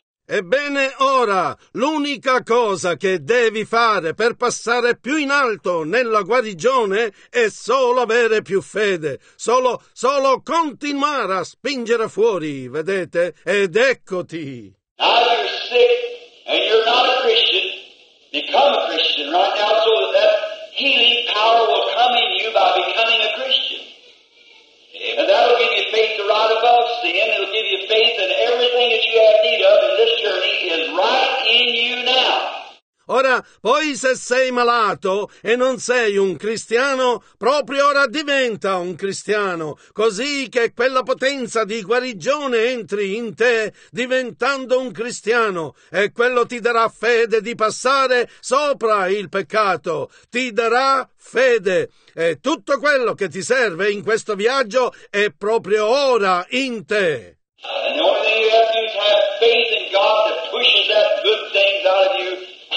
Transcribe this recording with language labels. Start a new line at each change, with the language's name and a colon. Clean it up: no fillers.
Italian: Ebbene, ora, l'unica cosa che devi fare per passare più in alto nella guarigione è solo avere più fede, solo continuare a spingere fuori, vedete? Ed eccoti!
English: Now you're sick and you're not a Christian, become a Christian right now so that healing power will come in you by becoming a Christian. And that'll give you faith to ride above sin. It'll give you faith in everything that you have need of in this journey is right in you now.
Italian: Ora, poi se sei malato e non sei un cristiano, proprio ora diventa un cristiano, così che quella potenza di guarigione entri in te diventando un cristiano e quello ti darà fede di passare sopra il peccato, ti darà fede e tutto quello che ti serve in questo viaggio è proprio ora in te.
English: And only you have to have faith in God that pushes that good things out of you.